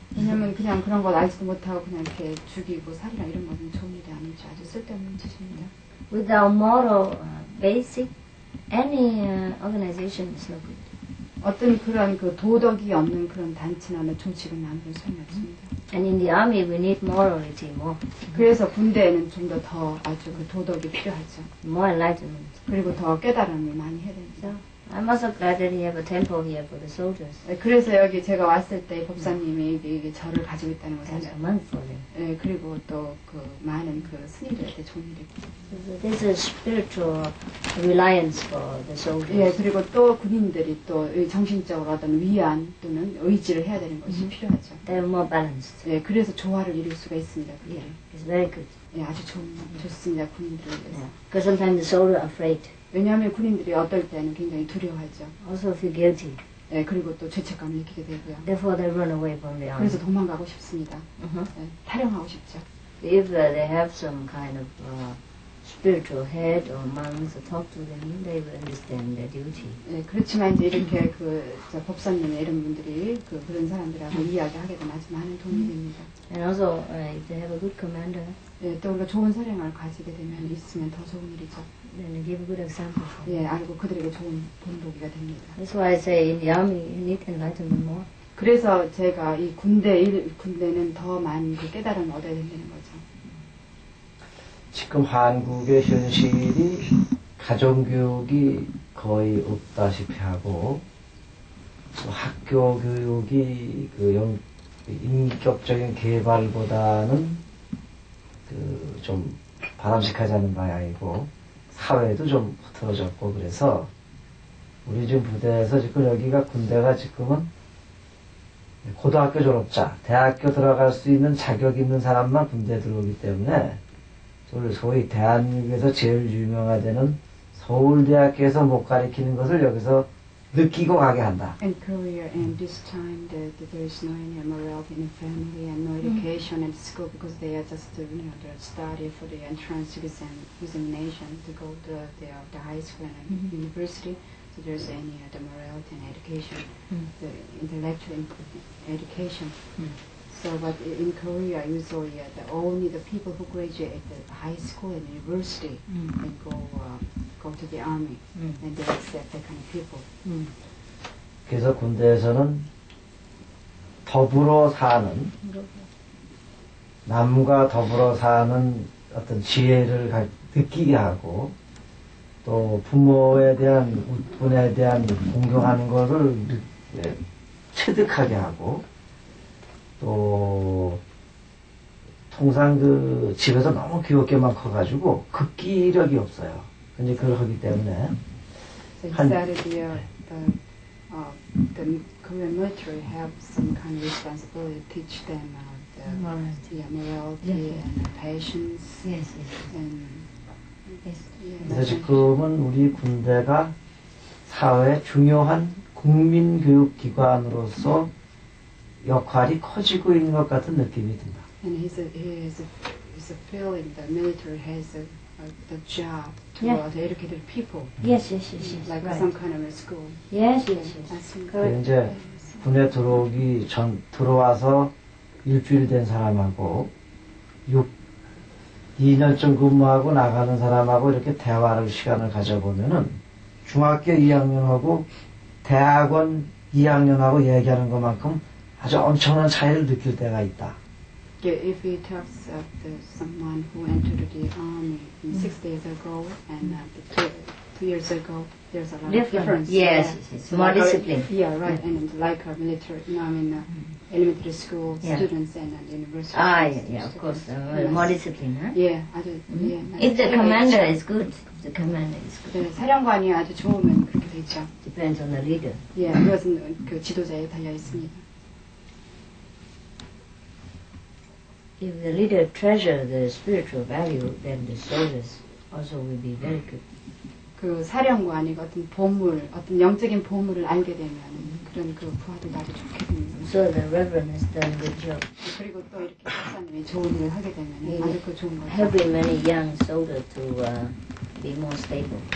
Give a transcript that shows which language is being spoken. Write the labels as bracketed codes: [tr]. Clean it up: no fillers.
[ko] 왜냐면 그냥 그런 걸 알지도 못하고 그냥 이렇게 죽이고 살이나 이런 것은 좋은 일이 아니죠. 아주 쓸데없는 짓입니다. [en] Without moral basic. Any organization is no good. [ko] 어떤 그런 그 도덕이 없는 그런 단체나 조직은 아무런 소용이 없습니다. [en] And in the army, we need morality more. [ko] 그래서 군대에는 좀 더 아주 그 도덕이 필요하죠. [en] More enlightenment. [ko] 그리고 더 깨달음을 많이 해야 되죠. [en] I'm also glad that you have a temple here for the soldiers. [ko] 그래서 여기 제가 왔을 때 법사님이 이게 절을 가지고 있다는 것을 알았어요. [en] That's a month for them. [ko] 네, 그리고 또 그 많은 그 스님들한테 좋은 일이 있고. [en] There's a spiritual reliance for the soldiers. [ko] 예, 그리고 또 군인들이 또 정신적으로 어떤 위안 또는 의지를 해야 되는 것이 필요하죠. [en] They're more balanced. [ko] 예, 그래서 조화를 이룰 수가 있습니다. 그게. [en] Yeah, it's very good. [ko] 예, 아주 좋습니다. 군인들을 위해서. Yeah. [en] Because sometimes the soldiers are afraid. [ko] 왜냐하면 군인들이 어떨 때는 굉장히 두려워하죠. [en] Also feel guilty. [ko] 네, 그리고 또 죄책감을 느끼게 되고요. [en] Therefore they run away from the army. [ko] 그래서 도망가고 싶습니다. [en] Uh-huh. [ko] 네, 탈영하고 싶죠. [en] If they have some kind of spiritual head or monks talk to them, they will understand their duty. [ko] 네, 그렇지만 이제 이렇게 그 법사님 이런 분들이 그런 사람들하고 이야기하게 되면 아주 많은 도움이 됩니다. [en] And also if they have a good commander. [ko] 네, 또 우리가 좋은 사령관을 가지게 되면 있으면 더 좋은 일이죠. [en] Then give a good example. [ko] 예, 알고 그들에게 좋은 본보기가 됩니다. [en] That's why I say in the army you need enlightenment more. [ko] 그래서 제가 이 군대는 더 많이 그 깨달음을 얻어야 된다는 거죠. 지금 한국의 현실이 가정교육이 거의 없다시피 하고 학교 교육이 그 인격적인 개발보다는 그 좀 바람직하지 않은 방향이고 사회도 좀 흐트러졌고 그래서 우리 지금 부대에서 지금 여기가 군대가 지금은 고등학교 졸업자, 대학교 들어갈 수 있는 자격 있는 사람만 군대에 들어오기 때문에 소위 대한민국에서 제일 유명화되는 서울대학교에서 못 가리키는 것을 여기서 느끼고 가게 한다. [en] And career and this time that there is no any MRL in the family and no education at school because they are just you know they study for the entrance exam examination to go to the high school and university. So there's any the MRL in education, the intellectual education. So but in Korea you saw that only the people who graduate at the high school and university and go to the army and they accept that kind of people. [ko] 그래서 군대에서는 더불어 사는 남과 더불어 사는 어떤 지혜를 느끼게 하고 또 부모에 대한 우분에 대한 공경하는 것을 체득하게 하고 또 통상 그 집에서 너무 귀엽게만 커가지고 극기 이력이 없어요. 근데 그걸 하기 때문에 [en] The Korean military have some kind of responsibility to teach them the morality, the morality and the patience. Yes, yes. And yes. [ko] 그래서 지금은 우리 군대가 사회 중요한 국민 교육 기관으로서 역할이 커지고 있는 것 같은 느낌이 든다. [en] And he's a feeling that military has the job to educate the people. Yes, yes, yes, yes. Like right. some kind of a school. Yes, yes, yes. Correct. [ko] 이제 군에 들어오기 전 들어와서 일주일 된 사람하고 2년쯤 근무하고 나가는 사람하고 이렇게 대화를 시간을 가져보면은 중학교 2학년하고 대학원 2학년하고 얘기하는 것만큼 아주 엄청난 차이를 느낄 때가 있다. [en] Yeah, if he talks of someone who entered the army 6 days ago and two years ago, there's a lot of difference. Yes, it's more discipline. Yeah, right. And like a military, you know, I mean, elementary school students and university. Ah, yeah, yeah, of course. More discipline, huh? Yeah, I do. Yeah. If the commander is good, the commander is good. [ko] 사령관이 아주 좋으면 그렇게 되죠. [en] Depends on the leader. [ko] Yeah, 그것은 그 지도자에 달려 있습니다. [en] If the leader treasure the spiritual value, then the soldiers also will be very good. [ko] 그 사령관이 어떤 보물, 어떤 영적인 보물을 알게 되면 그런 그 부하도 나도 좋겠네요. [en] So the reverend has done good job. [ko] 그리고 또 이렇게 목사님이 좋은 일을 하게 되면 아주 그 좋은 거죠. [en] Helping many young soldiers to be more stable.